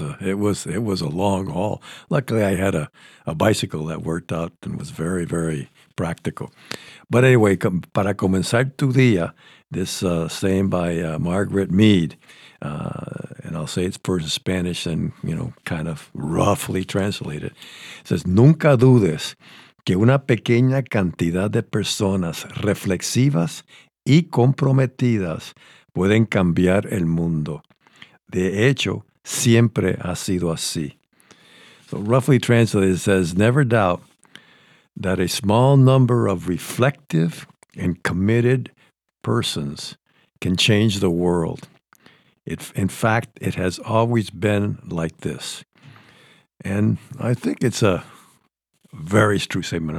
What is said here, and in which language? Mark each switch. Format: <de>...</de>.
<en>It was a long haul. Luckily, I had a bicycle that worked out and was very, very practical. But anyway, para comenzar tu día, this saying by Margaret Mead, and I'll say it's first in Spanish and, you know, kind of roughly translated.</en> <es>It says, nunca dudes que una pequeña cantidad de personas reflexivas y comprometidas pueden cambiar el mundo. De hecho, siempre ha sido así.</es> <en>So roughly translated, it says, never doubt that a small number of reflective and committed persons can change the world. In fact, it has always been like this. And I think it's a very true statement.</en>